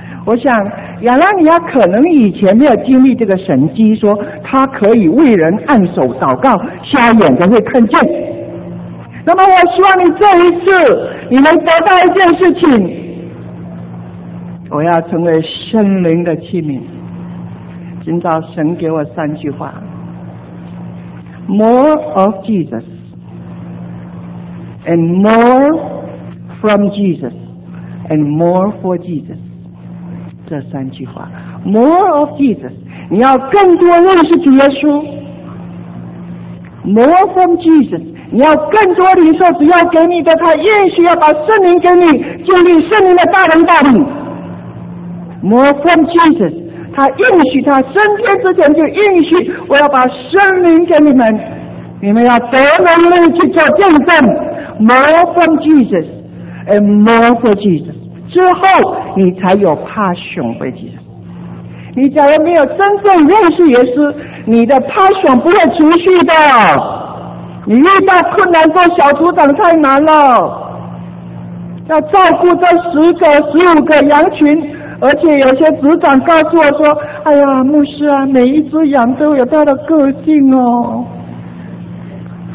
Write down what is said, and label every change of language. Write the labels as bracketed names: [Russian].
[Chinese] 我想亚纳尼亚可能以前没有经历这个神迹，说他可以为人按手祷告，瞎眼才会看见。那么我希望你这一次你能得到一件事情，我要成为圣灵的器皿。今早神给我三句话， [English] More of Jesus and more from Jesus and more for Jesus。 [Chinese] 这三句话， [English] More of Jesus， [Chinese] 你要更多认识主耶稣。 [English] More from Jesus， [Chinese] 你要更多领受主要给你的，他也许要把圣灵给你，建立圣灵的大能大力。 [English] More from Jesus， [Chinese] 他应许，他升天之前就应许，我要把圣灵给你们，你们要得能力去做见证。 [English] More from Jesus and more for Jesus， [Chinese] 之后你才有 [English] passion for Jesus。 [Chinese] 你假如没有真正认识耶稣，你的passion不会持续的。你遇到困难做小组长太难了，要照顾这10个、15个羊群，而且有些组长告诉我说：“哎呀，牧师啊，每一只羊都有它的个性哦。”